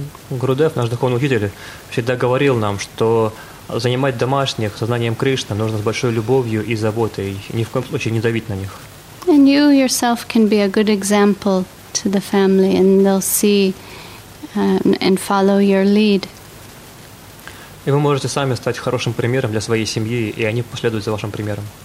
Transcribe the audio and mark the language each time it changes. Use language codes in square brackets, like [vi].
[ru] Гурудев, наш духовный учитель, всегда говорил нам, что занимать домашних сознанием Кришны нужно с большой любовью и заботой, и ни в коем случае не давить на них. [en] And you yourself can be a good example to the family, and they'll see and follow your lead. [ru] И вы можете сами стать хорошим примером для своей семьи, и они последуют за вашим примером.